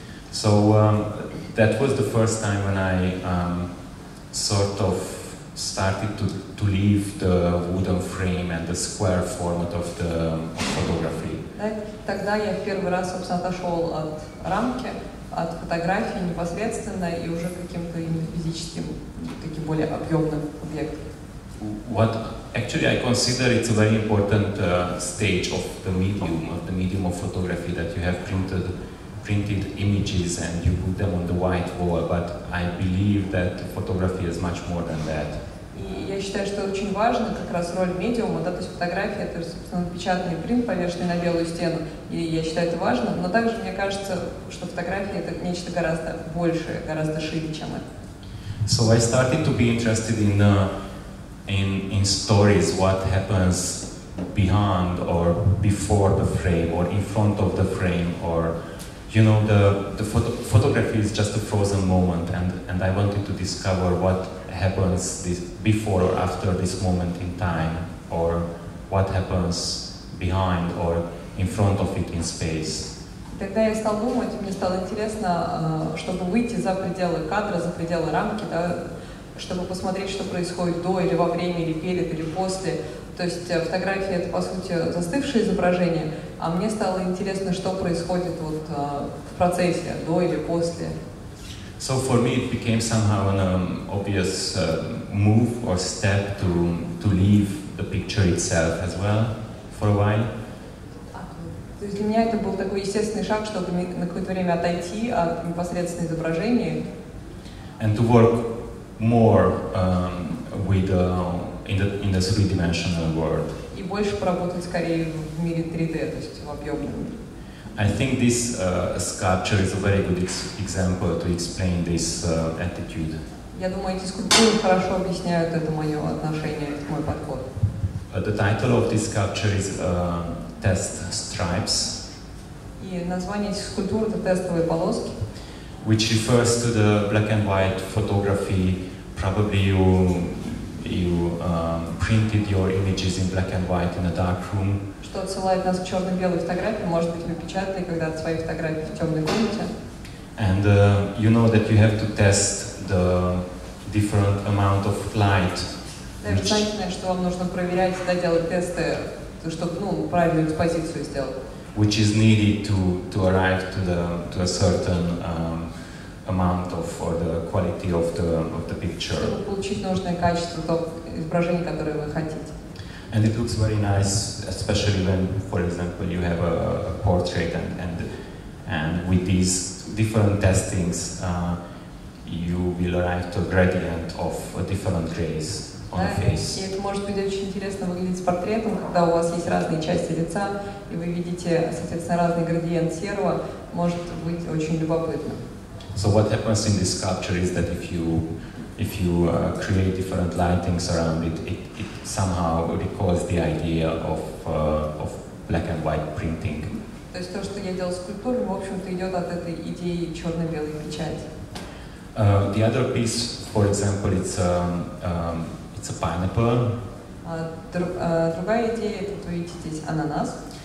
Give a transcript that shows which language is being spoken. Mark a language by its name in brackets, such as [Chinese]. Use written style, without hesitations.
[English] So that was the first time when I sort of started to leave the wooden frame and the square format of the photography. [Russian] Тогда я первый раз, собственно, отошел от рамки, от фотографии непосредственно и уже каким-то именно физическим, таким более объемным объектом. [English] What actually I consider it's a very important stage of the medium of photography, that you have printed images and you put them on the white wall, but I believe that photography is much more than that. [Russian] И я считаю, что очень важно как раз роль медиума, да, то есть фотография, это, собственно, печатный принт, повешенный на белую стену, и я считаю это важно, но также мне кажется, что фотография — это нечто гораздо большее, гораздо шире, чем это. [English] So I started to be interested in stories, what happens behind or before the frame or in front of the frame, or you know, the photography is just a frozen moment, and I wanted to discover what happens this before or after this moment in time, or what happens behind or in front of it in space. [Russian] Тогда я стал думать, мне стало интересно, чтобы выйти за пределы кадра, за пределы рамки, да, чтобы посмотреть, что происходит до или во время, или перед, или после. То есть фотография — это, по сути, застывшее изображение, а мне стало интересно, что происходит вот в процессе, до или после. [English] So for me it became somehow an obvious move or step to leave the picture itself as well for a while. [Russian] То есть для меня это был такой естественный шаг, чтобы на какое-то время отойти от непосредственного изображения. [English] And to work more with in the three-dimensional world. [Russian] И больше поработать скорее в мире 3D, то есть в объемном. [English] I think this sculpture is a very good example to explain this attitude. [Russian] Я думаю, эти скульптуры хорошо объясняют это мое отношение, мой подход. [English] The title of this sculpture is Test Stripes. [Russian] И название этих скульптур — это тестовые полоски. [English] Which refers to the black and white photography. Probably you printed your images in black and white in a dark room. [Russian] Что отсылает нас к черно-белой фотографии, может быть, вы печатали когда-то свои фотографии в темной комнате. [English] And you know that you have to test the different amount of light. [Russian] Да, вы знаете, что вам нужно проверять, да, делать тесты, чтобы, ну, правильную экспозицию сделать. [English] Which is needed to arrive to a certain amount of, or the quality of the picture. [Russian] Чтобы получить нужное качество того изображения, которое вы хотите. [English] And it looks very nice, especially when, for example, you have a portrait, and with these different testings, you will arrive to a gradient of a different grays on the face. [Russian] И это может быть очень интересно выглядеть с портретом, когда у вас есть разные части лица, и вы видите, соответственно, разный градиент серого, может быть очень любопытно. [English] So what happens in this sculpture is that if you create different lightings around it, it somehow recalls the idea of black and white printing. [Russian] То есть то, что я делал скульптуру, в общем-то, идет от этой идеи черно-белой печати. [English] The other piece, for example, it's a pineapple. [Russian] Другая идея — это, видите, здесь ананас.